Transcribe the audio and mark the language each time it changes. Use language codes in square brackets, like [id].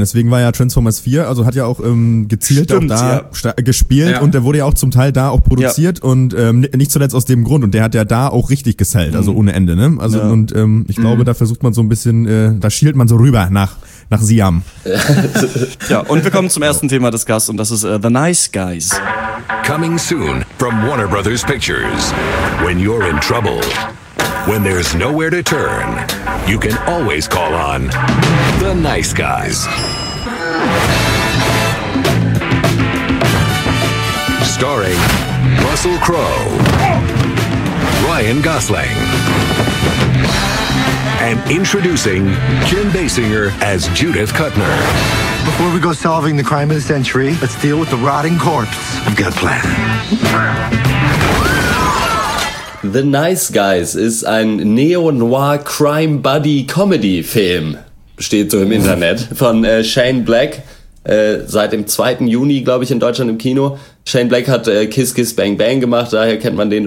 [de] Deswegen war ja Transformers 4, also hat ja auch gezielt gespielt und der wurde ja auch zum Teil da auch produziert und nicht zuletzt aus dem Grund und der hat ja da auch richtig gesellt, also ohne Ende, ne? Also und ich glaube, da versucht man so ein bisschen, da schielt man so rüber nach Siam. Ja, und wir kommen zum ersten Thema des Gasts und das ist The Nice Guys. [en] Coming soon from Warner Brothers Pictures. When you're in trouble, when there's nowhere to turn, you can always call on The Nice Guys. Starring Russell Crowe, Ryan Gosling, and introducing Kim Basinger as Judith Kuttner. Before we go solving the crime of the century, let's deal with the rotting corpse. I've got a plan. [de] The Nice Guys ist ein Neo-Noir-Crime-Buddy-Comedy-Film, steht so im Internet, von Shane Black. Seit dem 2. Juni, glaube ich, in Deutschland im Kino. Shane Black hat Kiss Kiss Bang Bang gemacht, daher kennt man den.